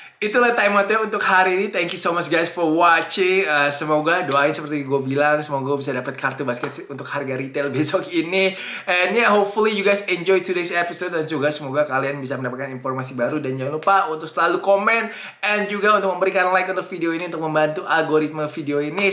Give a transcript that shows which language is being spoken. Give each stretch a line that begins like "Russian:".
Indonesian: Itulah timeout-nya untuk hari ini.
English: Thank you so much guys for watching.
Indonesian: Semoga doain seperti gue bilang. Semoga gue bisa dapat kartu basket untuk harga retail besok ini.
English: And yeah, hopefully you guys enjoy today's episode.
Indonesian: Dan juga semoga kalian bisa mendapatkan informasi baru. Dan jangan lupa untuk selalu komen. And juga untuk memberikan like untuk video ini. Untuk membantu algoritma video ini.